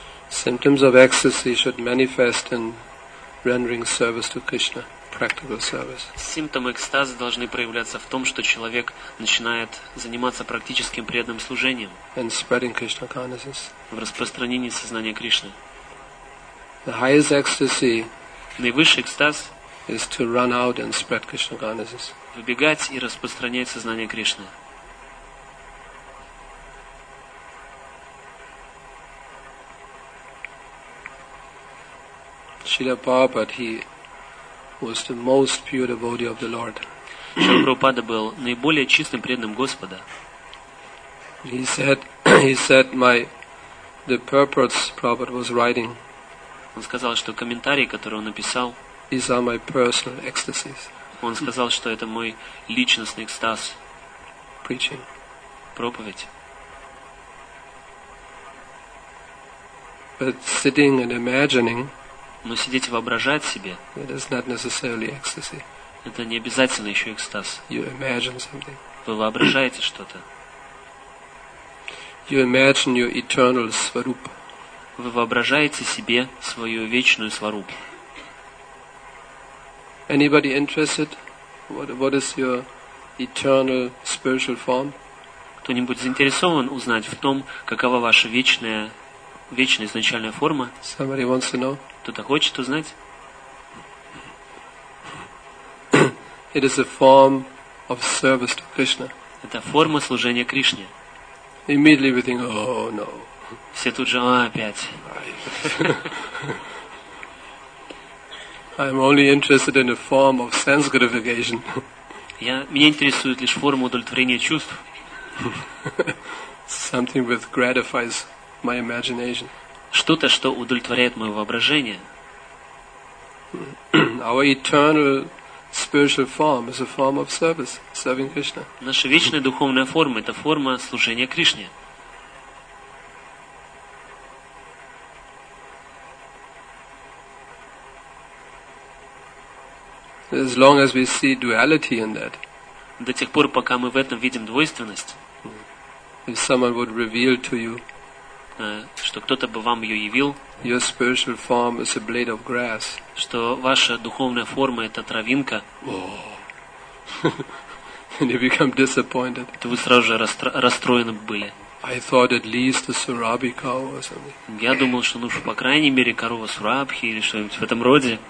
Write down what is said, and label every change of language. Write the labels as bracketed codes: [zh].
[en] Symptoms of ecstasy should manifest in rendering service to Krishna, practical service. [ru] Симптомы экстаза должны проявляться в том, что человек начинает заниматься практическим преданным служением. [en] And spreading Krishna consciousness. [ru] В распространении сознания Кришны. [en] The highest ecstasy. [ru] Наивысший экстаз. [en] Is to run out and spread Krishna consciousness. [ru] Выбегать и распространять сознание Кришны. [en] Srila Prabhupada, he was the most pure devotee of the Lord. [ru] Srila Prabhupada был наиболее чистым преданным Господа. [en] He said, the purports Prabhupada was writing. [ru] Он сказал, что комментарии, которые он написал, [en] these are my personal ecstasies. [ru] Он сказал, что это мой личностный экстаз. [en] Preaching. [ru] Проповедь. [en] But sitting and imagining. [ru] Но сидеть и воображать себе это не обязательно еще экстаз. Вы воображаете что-то. [en] You imagine your eternal svarup. [ru] Вы воображаете себе свою вечную сварупу. [en] Anybody interested? What is your eternal spiritual form? [ru] Кто-нибудь заинтересован узнать в том, какова ваша вечная, вечная изначальная форма? [en] Somebody wants to know. [ru] Кто-то хочет узнать? [en] It is a form of service to Krishna. [ru] Это форма служения Кришне. [en] Immediately we think, oh no. [ru] Все тут же, а, опять. [en] I'm only interested in a form of sense gratification. [ru] Меня интересует лишь форма удовлетворения чувств. [en] Something that gratifies my imagination. [ru] Что-то, что удовлетворяет мое воображение. [en] Our eternal spiritual form is a form of service, serving Krishna. [ru] Наша вечная духовная форма — это форма служения Кришне. [en] As long as we see duality in that. [ru] До тех пор, пока мы в этом видим двойственность. [en] If someone would reveal to you, [ru] что кто-то бы вам ее явил, [en] your spiritual form is a blade of grass, [ru] что ваша духовная форма — это травинка, [en] and you become disappointed. [ru] То вы сразу же расстроены были. [en] I thought at least a surabhi cow or something. [ru] Я думал, что нужно по крайней мере корова сурабхи или что-нибудь в этом роде.